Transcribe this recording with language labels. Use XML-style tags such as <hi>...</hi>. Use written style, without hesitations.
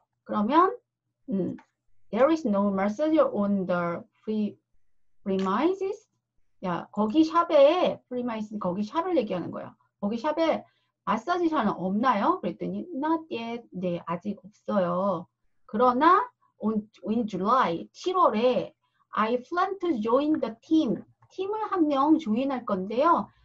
<ko>그러면</ko> <en>there is no massage on the premises.</en> <ko>야, 거기 샵에 premises 거기 샵을 얘기하는 거예요. 거기 샵에 마사지 샵은 없나요? 그랬더니</ko> <en>not yet.</en> <ko>네, 아직 없어요. 그러나</ko> <en>in July,</en> <ko>7월에</ko> <en>I plan to join the team.</en> <ko>팀을 한 명 조인할 건데요.</ko>